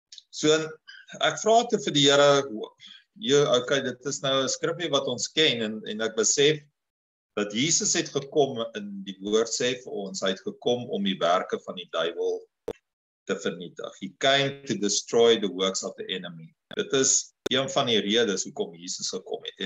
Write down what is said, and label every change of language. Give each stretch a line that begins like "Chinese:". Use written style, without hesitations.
Afrikaans: So ek vra te vir die Here, okay, dit is nou 'n skrifgie wat ons ken en ek besef dat Jesus het gekom in die woord sê vir ons, hy het gekom om die werke van die duiwel te vernietig.
English: He came to destroy the works of the enemy.
Afrikaans: Dit is een van die redes hoekom Jesus gekom het.